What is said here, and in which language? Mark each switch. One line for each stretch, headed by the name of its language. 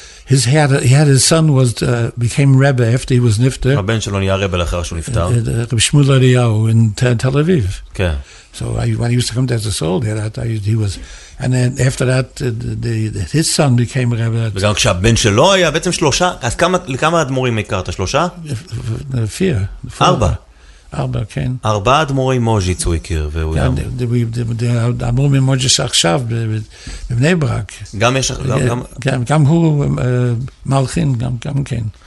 English: His had he had his son was became rebbe after he was nifter.
Hebrew: הבן שלו נהיה רבי לאחר שהוא נפטר. רבי שמואל אליהו in תל אביב. כן.
English: So when he used to come there as a soldier, he was, and then after that, his son became a rabbi.
Hebrew: וגם כשהבן שלו היה, בעצם שלושה, אז לכמה אדמו"רים הכרת? שלושה? Four. ארבע. ארבע, כן. ארבע אדמו"רים מוז'יץ הוא הכיר, והוא גם. האדמו"רים מוז'יץ עכשיו, בבני ברק. גם יש, גם הוא מלחין, גם כן.